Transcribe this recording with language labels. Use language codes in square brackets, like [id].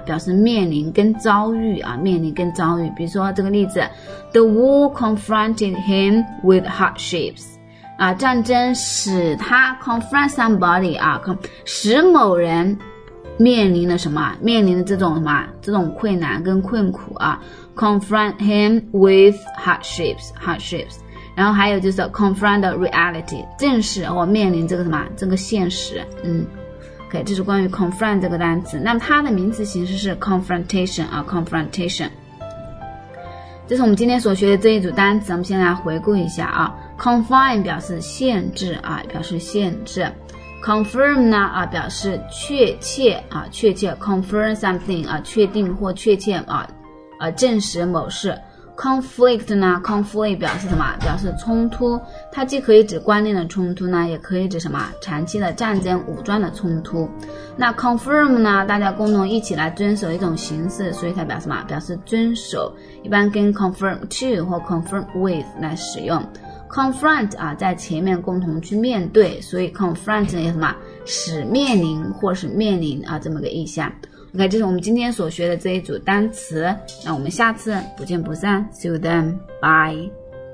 [zh] 表示面临跟遭遇啊，面临跟遭遇。比如说这个例子 ， [en] the war confronted him with hardships。 [zh] 啊，战争使他 confront somebody 啊，使某人面临了什么？面临的这种什么？这种困难跟困苦啊。 confront him with hardships。然后还有就是 confront the reality， 正视或面临这个什么？这个现实。 OK， 这是关于 confront 这个单词。那么它的名词形式是 confrontation 啊 ，confrontation。这是我们今天所学的这一组单词，我们先来回顾一下啊。 confine 表示限制啊，表示限制。 confirm 呢啊，表示确切啊，确切。 confirm something 啊，确定或确切啊，证实某事。 conflict 呢 ，conflict 表示什么？表示冲突。它既可以指观念的冲突呢，也可以指什么长期的战争、武装的冲突。那 confirm 呢，大家共同一起来遵守一种形式，所以它表示什么？表示遵守。一般跟 confirm to 或 confirm with 来使用。 confront 啊，在前面共同去面对，所以 confront 有什么使面临或是面临啊这么个意象。 OK， 这是我们今天所学的这一组单词，那我们下次不见不散。 [en] See you then. Bye.